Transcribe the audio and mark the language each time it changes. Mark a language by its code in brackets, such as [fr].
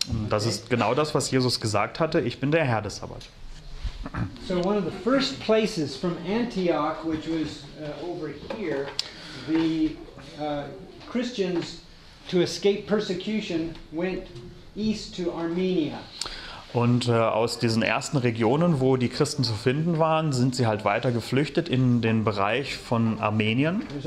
[de] Das ist genau das, was Jesus gesagt hatte, ich bin der Herr des Sabbat. [en] So one of the first places from Antioch, which was over here, the Christians to escape persecution went east to Armenia. [de] Und aus diesen ersten Regionen, wo die Christen zu finden waren, sind sie halt weiter geflüchtet in den Bereich von Armenien.